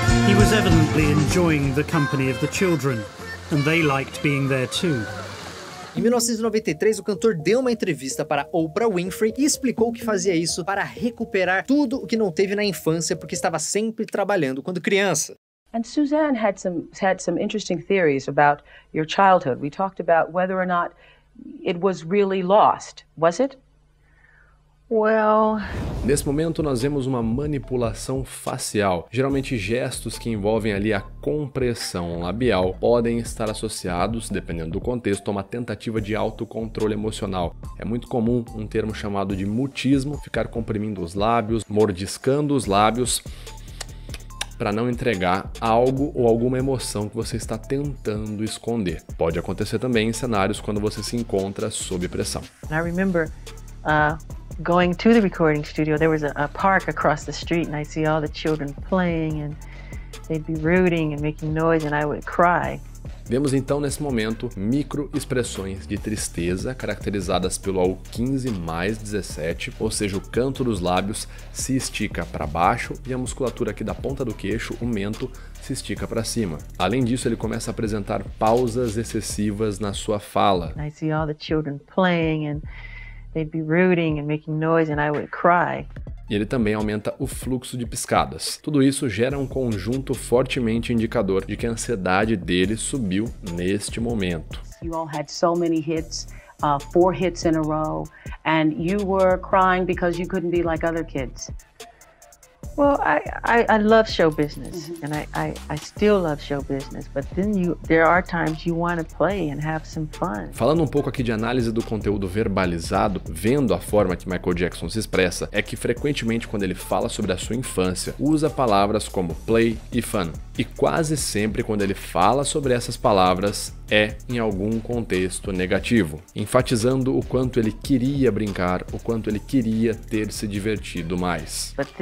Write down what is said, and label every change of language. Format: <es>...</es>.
<en>Enjoying the company of the children, and they liked being there too.</en> <pt>Em 1993, o cantor deu uma entrevista para Oprah Winfrey e explicou que fazia isso para recuperar tudo o que não teve na infância porque estava sempre trabalhando quando criança.</pt> <en>And Suzanne had some interesting theories about your childhood. We talked about whether or not it was really lost, was it? Well...</en> <pt>Nesse momento, nós vemos uma manipulação facial. Geralmente, gestos que envolvem ali a compressão labial podem estar associados, dependendo do contexto, a uma tentativa de autocontrole emocional. É muito comum um termo chamado de mutismo, ficar comprimindo os lábios, mordiscando os lábios, para não entregar algo ou alguma emoção que você está tentando esconder. Pode acontecer também em cenários quando você se encontra sob pressão.</pt> <en>I remember... Going to the recording studio, there was a park across the street, and I see all the children playing, and they'd be rooting and making noise, and I would cry.</en> <pt>Vemos então nesse momento microexpressões de tristeza caracterizadas pelo AU 15 mais 17, ou seja, o canto dos lábios se estica para baixo e a musculatura aqui da ponta do queixo, o mento, se estica para cima. Além disso, ele começa a apresentar pausas excessivas na sua fala.</pt> <en>And I see all the children playing, and they'd be rooting and making noise, and I would cry.</en> <pt>E ele também aumenta o fluxo de piscadas. Tudo isso gera um conjunto fortemente indicador de que a ansiedade dele subiu neste momento.</pt> <en>You all had so many hits, four hits in a row, and you were crying because you couldn't be like other kids. Well, I love show business, mm-hmm. and I still love show business, but then there are times you want to play and have some fun.</en> <pt>Falando um pouco aqui de análise do conteúdo verbalizado, vendo a forma que Michael Jackson se expressa, é que frequentemente quando ele fala sobre a sua infância, usa palavras como play e fun. E quase sempre quando ele fala sobre essas palavras, é em algum contexto negativo, enfatizando o quanto ele queria brincar, o quanto ele queria ter se divertido mais.</pt>